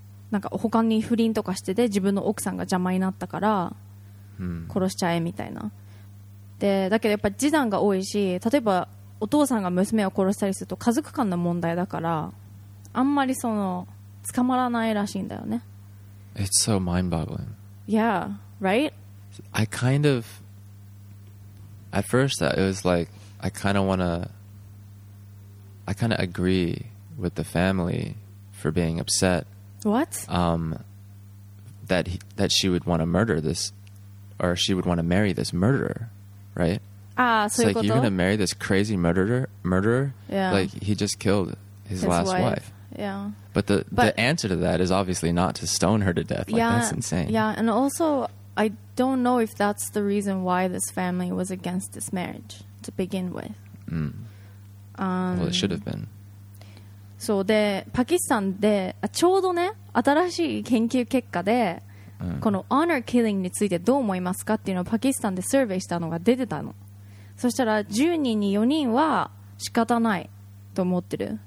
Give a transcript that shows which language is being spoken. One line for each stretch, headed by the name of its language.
Japanese: なんか他に不倫とかしてて自分の奥さんが邪魔になったから殺しちゃえみたいな、うん、でだけどやっぱり示談が多いし、例えばお父さんが娘を殺したりすると家族間の問題だから、あんまりその捕まらないらしいんだよね。
English: It's so mind-boggling. Yeah, right? I kind of at first it was like I kind of agree with the family for being upset. What? That she would want to murder this, or she would want to marry this murderer, right? Ah, so it's like, you're gonna marry this crazy murderer? Yeah. Like he just killed his last wife. Yeah. But the answer to that is obviously not to stone her to death. Like, yeah, that's insane. Yeah, and also I don't know if that's the reason why this family was against this marriage to begin with. Mm. Well, it should have been.
Japanese: そうで、パキスタンでちょうどね、新しい研究結果で、この honor killing についてどう思いますかっていうのをパキスタンでサーベイしたのが出てたの。そしたら10人に4人は仕方ないと思ってる。